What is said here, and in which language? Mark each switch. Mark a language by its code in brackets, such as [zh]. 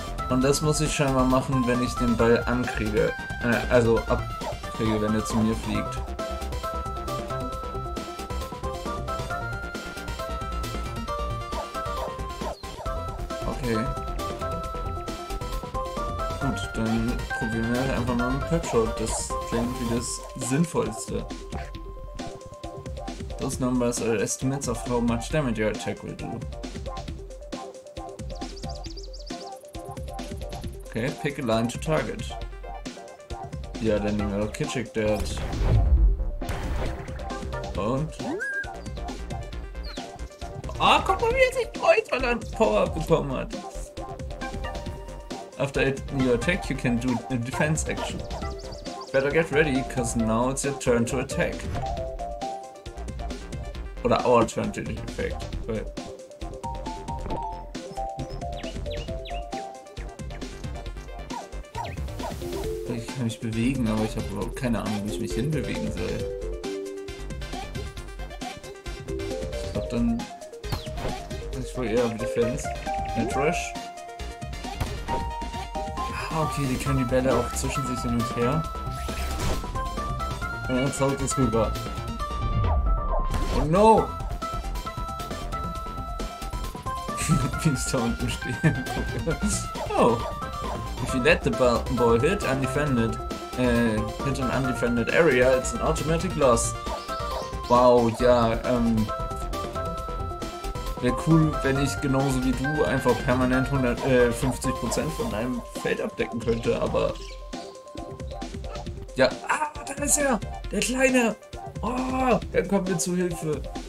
[de] Und das muss ich scheinbar machen, wenn ich den Ball ankriege. Also abkriege, wenn er zu mir fliegt. Okay. Gut, dann probieren wir einfach mal einen Pet-Shot. Das klingt wie das Sinnvollste. [en] Those numbers are estimates of how much damage your attack will do. Okay, pick a line to target. [de] Ja, dann nehmen wir doch Kitschig, der hat. Und? Ah, oh, guck mal, wie er sich freut, weil er ein Power-Up bekommen hat. [en] After your attack, you can do a defense action. Better get ready, because now it's your turn to attack. Oder our turn to effect. Wait. [de] Ich kann mich bewegen, aber ich habe überhaupt keine Ahnung, wie ich mich hinbewegen soll. Ich glaube dann. Ich wohl eher Defense. Ein Trash. Okay, die können die Bälle auch zwischen sich hin und her. Und dann zaubert es rüber. Oh no! Wie ich da unten stehen. Oh! [en] If you let the ball hit undefended, hit an undefended area, it's an automatic loss. [de] Wow, ja, wäre cool, wenn ich genauso wie du einfach permanent 150% von deinem Feld abdecken könnte, aber. Ja, ah, da ist er! Der Kleine! Oh, er kommt mir zu Hilfe!